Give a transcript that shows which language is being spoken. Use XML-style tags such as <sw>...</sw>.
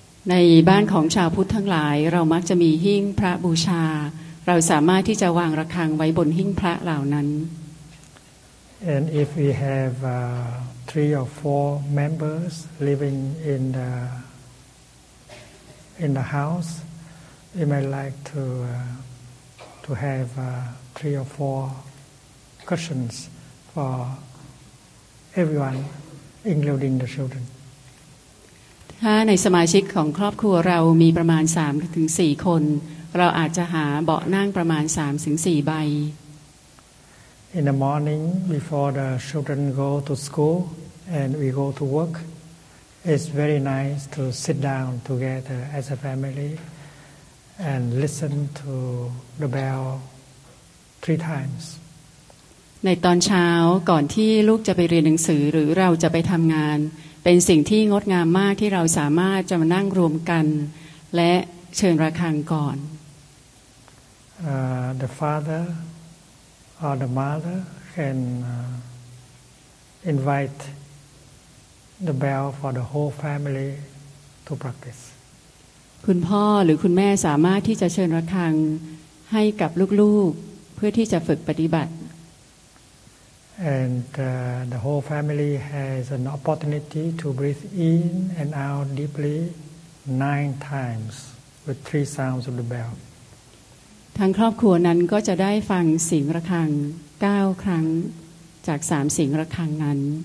<th>ในบ้านของชาวพุทธทั้งหลายเรามักจะมีหิ้งพระบูชาเราสามารถที่จะวางระฆังไว้บนหิ้งพระเหล่านั้น</th> <en>And if we have three or four members living in the house, we might like to have three or four cushions for everyone, including the children.</en> <th>ถ้าในสมาชิกของครอบครัวเรามีประมาณ3ถึง4คนเราอาจจะหาเบาะนั่งประมาณ3ถึง4ใบ</th> <en>In the morning before the children go to schoolAnd we go to work. It's very nice to sit down together as a family and listen to the bell three times.</en> <th>ในตอนเช้าก่อนที่ลูกจะไปเรียนหนังสือหรือเราจะไปทำงานเป็นสิ่งที่งดงามมากที่เราสามารถจะมานั่งรวมกันและเชิญระฆังก่อน</th> <en>The father or the mother can invite. The bell for the whole family to practice.</en> <th>คุณพ่อหรือคุณแม่สามารถที่จะเชิญระฆังให้กับลูกๆเพื่อที่จะฝึกปฏิบัติ</th> <en>And the whole family has an opportunity to breathe in and out deeply 9 times with 3 sounds of the bell.</en> <th>ทั้งครอบครัวนั้นก็จะได้ฟังเสียงระฆัง9ครั้งจาก3เสียงระฆังนั้น</th>